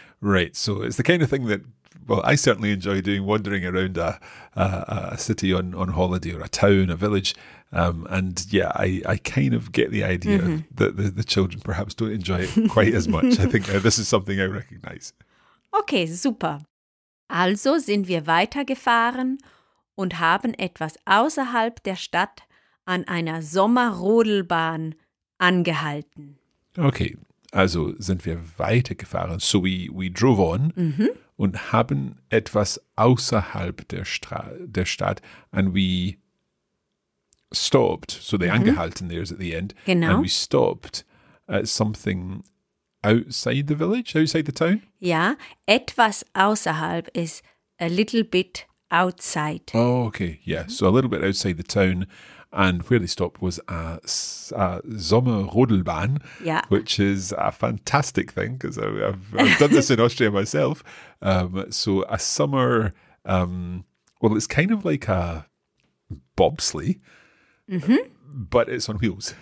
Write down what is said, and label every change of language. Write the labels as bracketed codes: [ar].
[en] Right, so it's the kind of thing that, well, I certainly enjoy doing, wandering around a city on holiday, or a town, a village. And yeah, I kind of get the idea that the children perhaps don't enjoy it quite as much. I think this is something I recognize. Okay, super. [de] Also sind wir weitergefahren und haben etwas außerhalb der Stadt an einer Sommerrodelbahn angehalten. [en] Okay, [de] also sind wir weitergefahren. [en] So we drove on. Mm-hmm. [de] Und haben etwas außerhalb der Stadt, [en] and we stopped. So the angehalten there is at the end. [de] Genau. [en] And we stopped at something outside the village, outside the town. [de] Ja, etwas außerhalb [en] is a little bit outside. Oh, okay. Yeah, so a little bit outside the town. And where they stopped was a Sommerrodelbahn, yeah. Which is a fantastic thing because I've done this in Austria myself. So a summer, well, it's kind of like a bobsleigh, but it's on wheels.